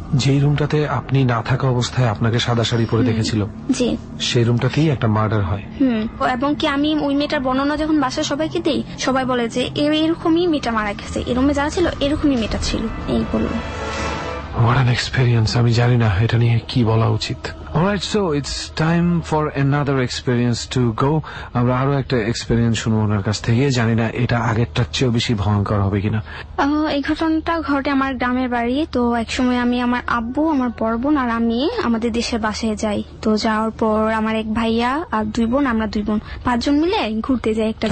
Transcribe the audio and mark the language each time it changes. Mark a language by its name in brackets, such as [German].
[Bangla] যে রুমটাতে আপনি না থাকা অবস্থায় আপনাকে সাদা শাড়ি পরে দেখেছিল, জি, সেই রুমটাতেই একটা মার্ডার হয়। এবং কি আমি ওই মেয়েটার বর্ণনা যখন বাসায় সবাইকে দিই, সবাই বলে যে এরকমই মেয়েটা মারা গেছে, এরমে যারা ছিল এরকমই মেয়েটা ছিল, এই বলল। [English] What an experience. [Bangla] আমি জানি না এটা নিয়ে কি বলা উচিত। [English] Alright, so it's time for another experience to go. [Bangla] আমরা আরো একটা experience শুনবো ওনার কাছ থেকে, জানি না এটা আগেরটার চেয়ে বেশি ভয়ঙ্কর হবে কিনা। এই ঘটনাটা ঘটে আমার গ্রামের বাড়ি। তো একসময় আমি আমার আব্বু, আমার বড় বোন আর আমি আমাদের দেশের বাসায় যাই। তো যাওয়ার পর আমার এক ভাইয়া আর দুই বোন, আমরা দুই বোন পাঁচজন মিলে ঘুরতে যাই একটা